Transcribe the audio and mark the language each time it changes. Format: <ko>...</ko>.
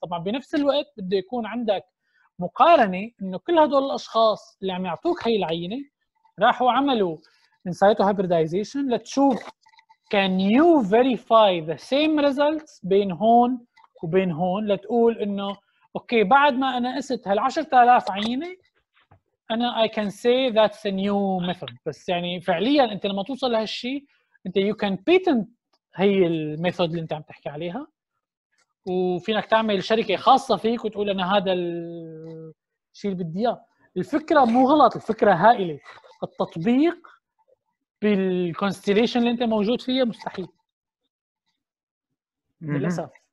<ar>طبعا بنفس الوقت بده يكون عندك مقارنه انه كل هدول الاشخاص اللي عم يعطوك هاي العينه راحوا عملوا انسايتو هايبريدايزيشن لتشوف</ar> <en>can you verify the same results</en> <ar>بين هون وبين هون، لتقول انه اوكي بعد ما انا قست هالعشرة الاف عينة</ar> <en>أنا I can say that's a new method.</en> <ar>بس يعني فعلياً أنت لما توصل لهالشي أنت</ar> <en>you can patent</en> <ar>هي الميثود اللي أنت عم تحكي عليها وفينك تعمل شركة خاصة فيك وتقول أنا هذا الشيء اللي بدي إياه. الفكرة مو غلط، الفكرة هائلة. التطبيق بالconstellation اللي أنت موجود فيها مستحيل للأسف.</ar>